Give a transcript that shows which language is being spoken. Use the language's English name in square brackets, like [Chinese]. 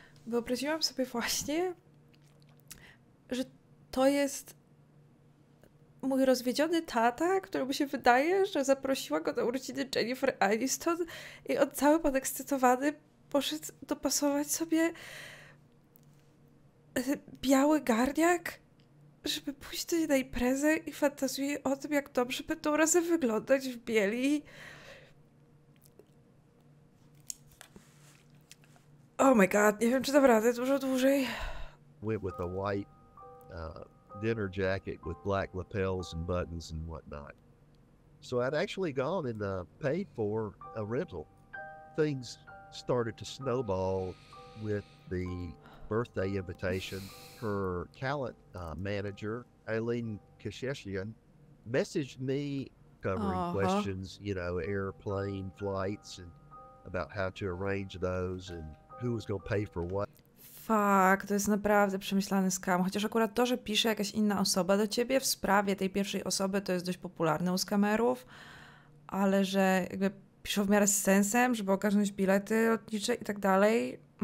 [Polish] Wyobraziłam sobie właśnie, że to jest mój rozwiedziony tata, któremu się wydaje, że zaprosiła go do urodziny Jennifer Aniston i on cały podekscytowany poszedł dopasować sobie biały garniak, żeby pójść do niej na imprezę i fantazuje o tym, jak dobrze by tą razę wyglądać w bieli. [English] Oh my God, [Polish] nie wiem, czy dam radę dużo dłużej. [English] Went with a white dinner jacket with black lapels and buttons and whatnot. So I'd actually gone and paid for a rental. Things started to snowball with the birthday invitation. Her talent manager, Aileen Kashashian, messaged me covering questions, you know, airplane flights and about how to arrange those and who was going to pay for what. [Polish] Fuck, to jest naprawdę przemyślany scam. Chociaż akurat to, że pisze jakaś inna osoba do ciebie w sprawie tej pierwszej osoby, to jest dość popularne u skamerów, ale że jakby piszą w miarę z sensem, żeby okazać bilety lotnicze i tak dalej.